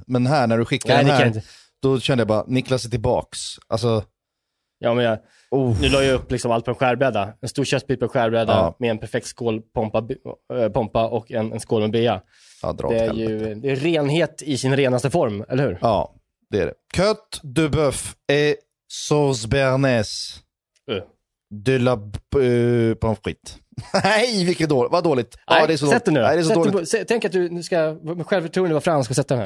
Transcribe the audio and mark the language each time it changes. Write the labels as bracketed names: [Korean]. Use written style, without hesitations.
[Swedish] Men här när du skickade den här, då kände jag bara, Niklas är tillbaks. Alltså... Ja, men nu la jag upp liksom allt på en skärbräda. En stor köttbit på en skärbräda med en perfekt skål pompa och en skål med bea. Ja, det är ju det är renhet i sin renaste form, eller hur? Ja, det är det. [French] Cut de bœuf et sauce béarnaise de la pommes frites. [Swedish] Nej, vilket dåligt. Vad dåligt. Nej, ja, det är så sätt dåligt. Nu. Nej, det är så dåligt. Tänk att du nu ska med självförtroende vara fransk och sätta den här.